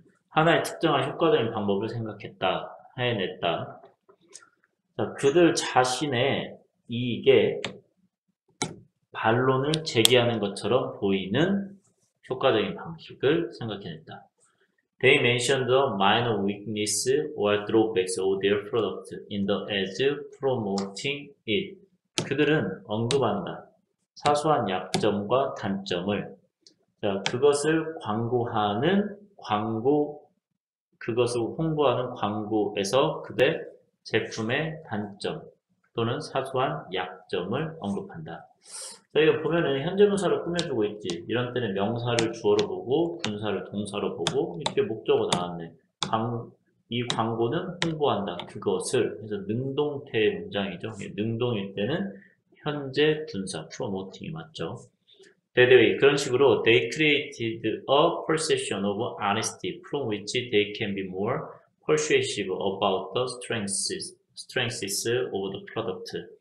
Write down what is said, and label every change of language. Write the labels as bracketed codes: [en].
[ko] 하나의 특정한 효과적인 방법을 생각했다, 해냈다. 그들 자신의 이익에 반론을 제기하는 것처럼 보이는 효과적인 방식을 생각해냈다. [en] They mentioned the minor weakness or drawbacks of their product in the ads promoting it. [ko] 그들은 언급한다. 사소한 약점과 단점을. 그것을 광고하는 광고, 그것을 홍보하는 광고에서 그들 제품의 단점 또는 사소한 약점을 언급한다. 여기 보면은 현재 분사를 꾸며주고 있지. 이런 때는 명사를 주어로 보고 분사를 동사로 보고 이렇게 목적어 나왔네. 이 광고는 홍보한다. 그것을 해서 능동태의 문장이죠. 능동일 때는 현재 분사 프로모팅이 맞죠. 대대위 그런 식으로 [en] they created a perception of honesty from which they can be more persuasive about the strengths of the product.